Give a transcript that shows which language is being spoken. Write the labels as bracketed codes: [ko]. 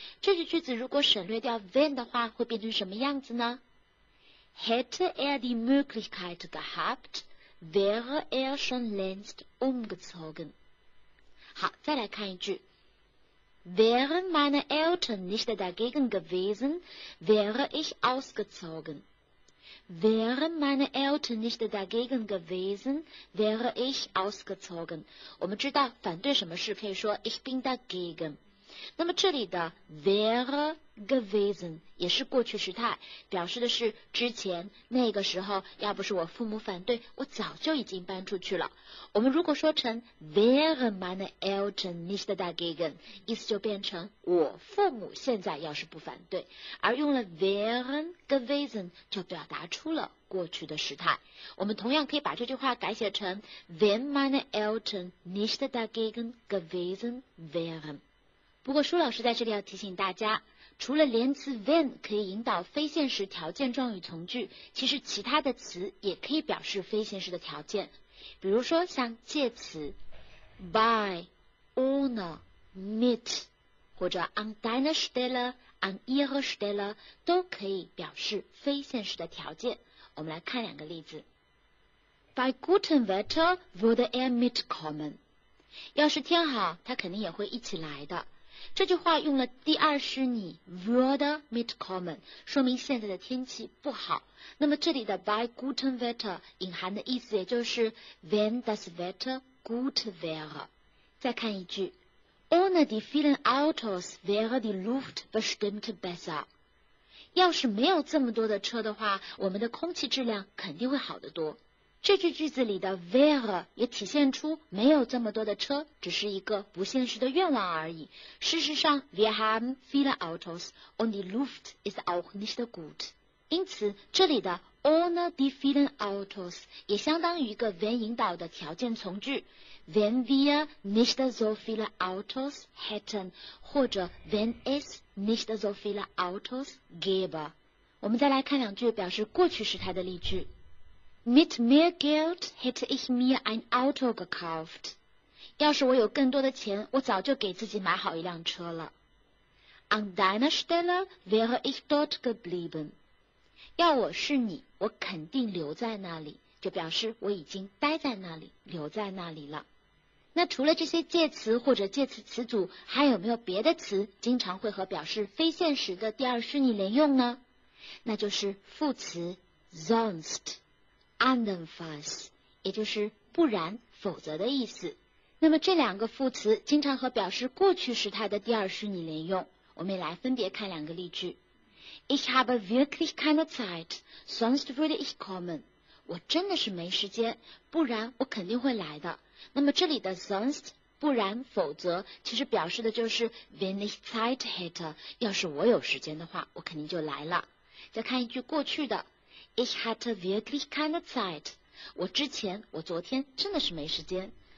[zh] 这句句子如果省略掉 wenn 的话，会变成什么样子呢？ [de] Hätte er die Möglichkeit gehabt？ Wäre er schon längst umgezogen. [zh] 好，再来看一句。 [de] Wären meine Eltern nicht dagegen gewesen, wäre ich ausgezogen. Wären meine Eltern nicht dagegen gewesen, wäre ich ausgezogen. [zh] 我们知道反对什么事可以说 [de] ich bin dagegen。 [zh] 那么这里的 [de] wäre gewesen [zh] 也是过去时态，表示的是之前那个时候，要不是我父母反对，我早就已经搬出去了。我们如果说成 [de] wäre meine Eltern nicht dagegen， [zh] 意思就变成我父母现在要是不反对，而用了 [de] wäre gewesen [zh] 就表达出了过去的时态。我们同样可以把这句话改写成 [de] wenn meine Eltern nicht dagegen gewesen wären。 [zh] 不过舒老师在这里要提醒大家，除了连词 wenn 可以引导非现实条件状语从句，其实其他的词也可以表示非现实的条件。比如说像介词 by, owner, mit, 或者 [de] an deiner Stelle, an ihrer Stelle [zh] 都可以表示非现实的条件。我们来看两个例子。 [de] By gutem Wetter würde er mitkommen. [zh] 要是天好，他肯定也会一起来的。这句话用了第二虚拟 [de] würde mitkommen， [zh] 说明现在的天气不好。那么这里的 [de] by gutem Wetter [zh] 隐含的意思也就是 [de] wenn das Wetter gut wäre。 [zh] 再看一句， [de] ohne die vielen Autos wäre die Luft bestimmt besser。 [zh] 要是没有这么多的车的话，我们的空气质量肯定会好得多。这句句子里的 wäre 也体现出没有这么多的车只是一个不现实的愿望而已。事实上 [de] wir haben viele Autos und die Luft ist auch nicht gut。 [zh] 因此这里的 [de] ohne die vielen Autos [zh] 也相当于一个 [de] wenn [zh] 引导的条件从句， [de] wenn wir nicht so viele Autos hätten [zh] 或者 [de] wenn es nicht so viele Autos gäbe。 [zh] 我们再来看两句表示过去时态的例句。 [de] Mit mehr Geld hätte ich mir ein Auto gekauft. [zh] 要是我有更多的钱，我早就给自己买好一辆车了。 [de] An deiner Stelle wäre ich dort geblieben. [zh] 要我是你，我肯定留在那里，就表示我已经待在那里，留在那里了。那除了这些介词或者介词词组，还有没有别的词经常会和表示非现实的第二虚拟连用呢？那就是副词 sonst。Andernfalls， 也就是不然否则的意思。那么这两个副词经常和表示过去时态的第二虚拟连用，我们也来分别看两个例句。 [de] Ich habe wirklich keine Zeit, sonst würde ich kommen. [zh] 我真的是没时间，不然我肯定会来的。那么这里的 sonst, 不然否则，其实表示的就是 [de] wenn ich Zeit hätte, [zh] 要是我有时间的话，我肯定就来了。再看一句过去的 , [de] Ich hatte wirklich keine Zeit, [zh] 我昨天真的是没时间。